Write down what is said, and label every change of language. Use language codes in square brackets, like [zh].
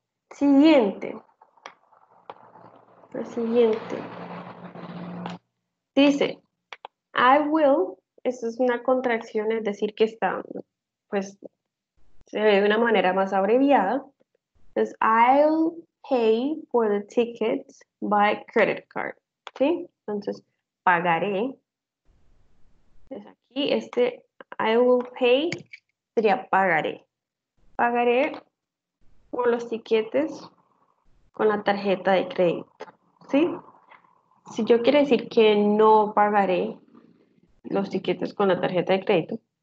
[es] Siguiente. La siguiente. Dice. [en] I will, [es] esto es una contracción, es decir, que está, pues, se ve de una manera más abreviada. Entonces, [en] I'll pay for the tickets by credit card. [es] ¿Sí? Entonces, pagaré. Entonces, aquí este I will pay sería pagaré. Pagaré por los tickets con la tarjeta de crédito. ¿Sí? Si yo quiero decir que no pagaré los tiquetes con la tarjeta de crédito.